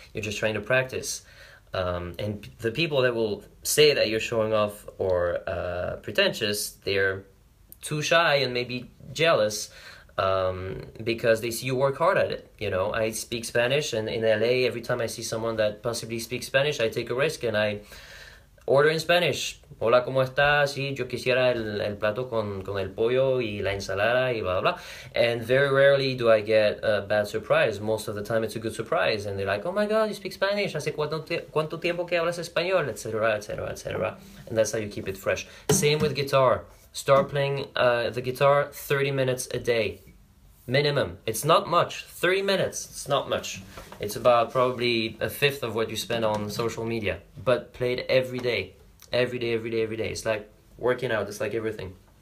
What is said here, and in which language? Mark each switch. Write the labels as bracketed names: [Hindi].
[English] You're just trying to practice. And the people that will say that you're showing off or pretentious, they're too shy and maybe jealous. Because they see you work hard at it. I speak Spanish, and in LA, every time I see someone that possibly speaks Spanish, I take a risk and I order in Spanish. [Spanish] Hola, ¿cómo estás? Sí, yo quisiera el plato con el pollo y la ensalada y blah, blah, blah. [English] And very rarely do I get a bad surprise. Most of the time, it's a good surprise. And they're like, oh my God, you speak Spanish. [Spanish] Hace cuánto tiempo que hablas español, et cetera, et cetera, et cetera. [English] And that's how you keep it fresh. Same with guitar. Start playing the guitar 30 minutes a day, minimum. It's not much. 30 minutes, it's not much. It's about probably a fifth of what you spend on social media. But play it every day. Every day, every day, every day. It's like working out, it's like everything.